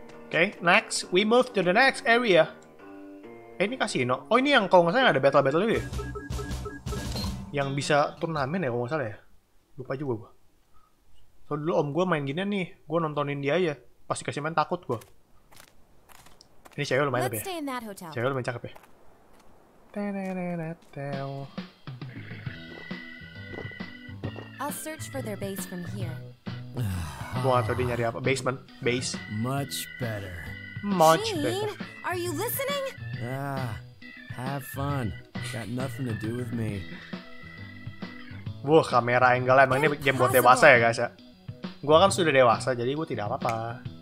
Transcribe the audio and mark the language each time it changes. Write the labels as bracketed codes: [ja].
[en] Okay, next we move to the next area. [id] Ini kasino. Oh ini yang kalau nggak salah ada battle ini. Yang bisa turnamen ya kalau nggak salah ya. Lupa juga gue. So dulu om gue main gini nih, gue nontonin dia aja. Pasti kasih main takut gue. Ini cewek lumayan apa ya? Cewek lumayan cakep ya. Tenenetel. [en] I'll search for their base from here. [id] Gua tahu dia nyari apa. Basement, base. [en] Much better. Much Shane, better. Are you listening? Ah, have fun. Got nothing to do with me. [id] Wah, kamera angle emang ini game buat dewasa ya guys ya. Gua kan sudah dewasa, jadi gua tidak apa-apa.